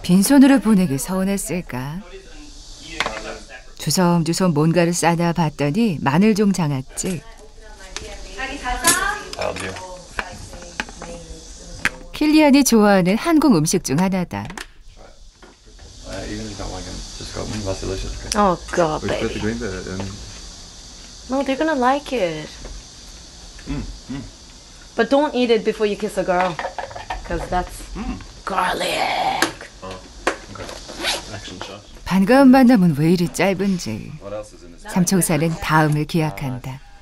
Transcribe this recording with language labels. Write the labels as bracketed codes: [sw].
[ko] 빈손으로 보내기 서운했을까? 주섬주섬 뭔가를 싸나 봤더니 마늘종 장아찌. 자기 잘 싸. [en] I love you. [ko] 킬리안이 좋아하는 한국 음식 중 하나다. [en] Even if you don't like them, just got them. That's delicious. Okay. Oh, God, baby. We put the green bit in. No, they're gonna like it. But don't eat it before you kiss a girl. Because that's... Garlic. [ko] 반가운 만남은 왜 이리 짧은지 삼총사는 다음을 기약한다.